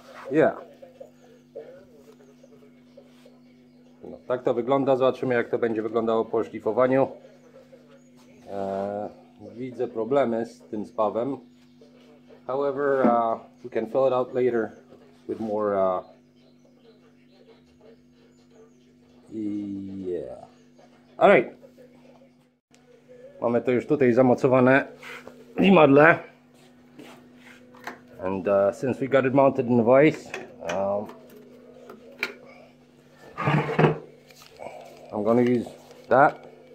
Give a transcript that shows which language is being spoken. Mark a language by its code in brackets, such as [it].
[en] Yeah. [pl] No, tak to wygląda, zobaczymy jak to będzie wyglądało po szlifowaniu. Widzę problemy z tym spawem. [en] However, we can fill it out later with more. Yeah. All right. [pl] Mamy to już tutaj zamocowane w imadle. [en] And since we got it mounted in the vise, I'm gonna use that.